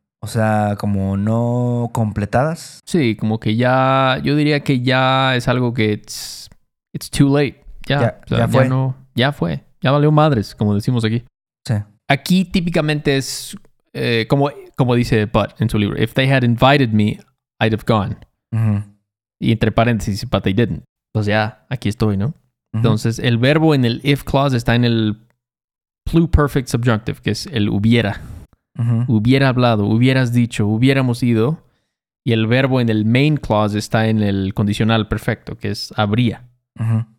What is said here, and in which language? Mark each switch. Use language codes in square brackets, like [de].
[es] O sea, como no completadas. Sí, como que ya... Yo diría que ya es algo que [en] it's too late. [es] Ya fue. Ya fue. Ya valió madres, como decimos aquí. Sí. Aquí típicamente es como dice Butt en su libro. [en] If they had invited me, I'd have gone. [es] Mm-hmm. Y entre paréntesis, [en] but they didn't. [es] Pues ya, aquí estoy, ¿no? Uh-huh. Entonces, el verbo en el if clause está en el pluperfect subjunctive, que es el hubiera. Uh-huh. Hubiera hablado, hubieras dicho, hubiéramos ido. Y el verbo en el main clause está en el condicional perfecto, que es habría. Uh-huh.